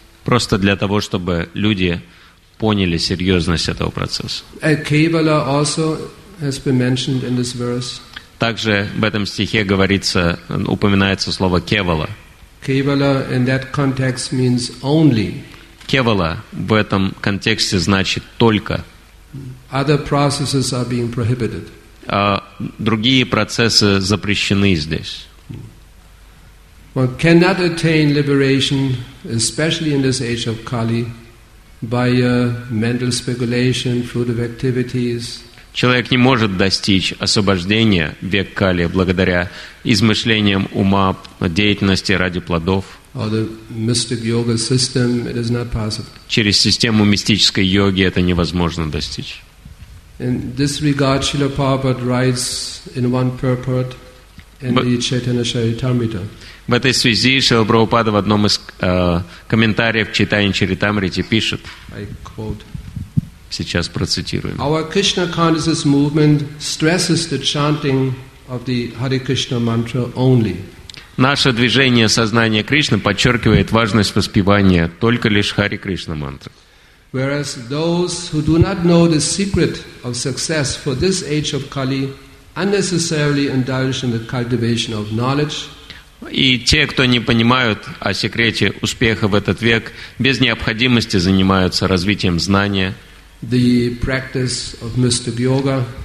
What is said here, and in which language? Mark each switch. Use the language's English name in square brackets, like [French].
[Russian] Просто для того, чтобы люди поняли серьезность этого процесса. [English] A Kevala also has been mentioned in this verse. [Russian] Также в этом стихе говорится, упоминается слово Кевала. [English] Kevala in that context means only. [Russian] Кевала в этом контексте значит только. [English] Other processes are being prohibited. [Russian] Другие процессы запрещены здесь. [English] One cannot attain liberation, especially in this age of Kali, by mental speculation, fruitive activities. [Russian] Человек не может достичь освобождения век Кали благодаря измышлениям ума, деятельности ради плодов. [English] Or the mystic yoga system, it is not possible. [Russian] Через систему мистической йоги это невозможно достичь. [English] In this regard, Srila Prabhupada writes in one purport in the Chaitanya Charitamrita. [Russian] В этой связи Шрила Прабхупада в одном из комментариев Чайтанья Чаритамрите пишет. [English] I quote. [Russian] Сейчас процитируем. [English] Our Krishna consciousness movement stresses the chanting of the Hare Krishna mantra only. [Russian] Наше движение сознания Кришны подчеркивает важность воспевания только лишь Хари Кришна мантры. [English] Whereas those who do not know the secret of success for this age of Kali unnecessarily indulge in the cultivation of knowledge. [Russian] И те, кто не понимают о секрете успеха в этот век, без необходимости занимаются развитием знания. [English] The practice of mystic yoga.